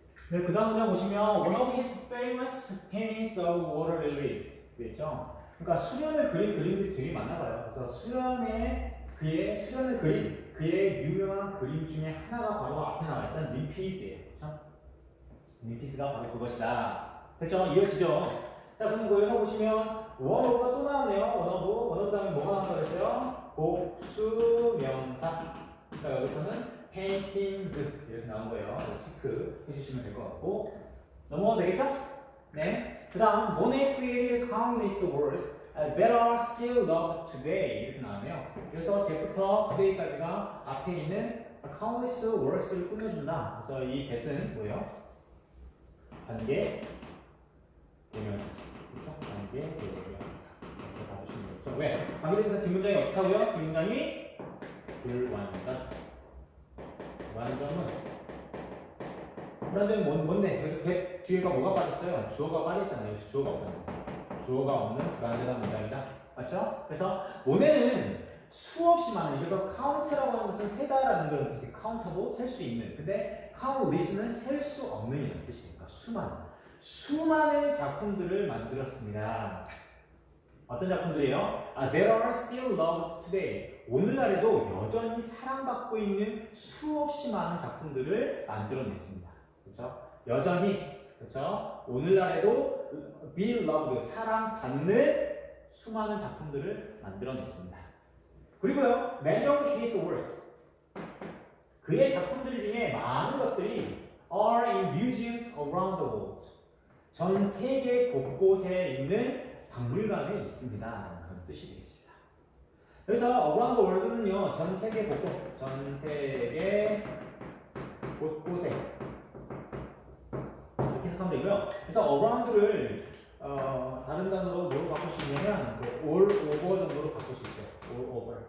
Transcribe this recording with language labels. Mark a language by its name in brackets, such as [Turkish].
[Korean] 네, 그 다음 문장 보시면 [English] one of his famous paintings of water lilies [Korean] 그랬죠? 그러니까 수련을 그린 그림들이 되게 많나봐요. 그래서 수련을 그린 그의 유명한 그림 중에 하나가 바로 앞에 나와있던 림피스예요. 그렇죠? 림피스가 바로 그것이다. 됐죠? 이어지죠? 자, 그리고 여기서 보시면 one of가 또 나왔네요. one of 다음에 뭐가 나왔다고 했어요? 복수명사. 그러니까 여기서는 paintings 이렇게 나온 거예요. 체크 해주시면 될 것 같고 넘어가도 되겠죠? 네. 그 다음 [English] Monet created countless works that are still loved today [Korean] 이렇게 나오네요. 그래서 때부터 today까지가 앞에 있는 countless works를 꾸며준다. 그래서 이 that은 뭐예요? 관계 대명사. 그래서 관계 대명사 이렇게 봐주시면 되죠. 왜? 관계 대명사 뒷문장이 어떻다고요? 뒷문장이 불완전. 불완전은 불완전이 뭔데? 그래서 뒤에가 뭐가 빠졌어요? 주어가 빠졌잖아요. 주어가 없잖아요. 주어가 없는 불완전한 문장이다. 맞죠? 그래서 모네는 수없이 많은, 그래서 카운트라고 하는 것은 세다라는 그런 뜻이에요. 카운터도 셀 수 있는. 근데 카운리스는 셀 수 없는 이라는 뜻이니까 수많은 작품들을 만들었습니다. 어떤 작품들이에요? [English] There are still loved today. [Korean] 오늘날에도 여전히 사랑받고 있는 수없이 많은 작품들을 만들어냈습니다. 그렇죠? 여전히, 그렇죠? 오늘날에도 be loved, 사랑받는 수많은 작품들을 만들어냈습니다. 그리고요, [English] many of his works. [Korean] 그의 작품들 중에 많은 것들이 [English] are in museums around the world. [Korean] 전 세계 곳곳에 있는 박물관에 있습니다. 그런 뜻이 되겠습니다. 그래서 around the world는요, 전 세계 곳곳, 전 세계 곳곳에 이렇게 해석하면 되고요. 그래서 around를 다른 단어로 뭘 바꿀 수 있냐면 all over 정도로 바꿀 수 있죠. all over.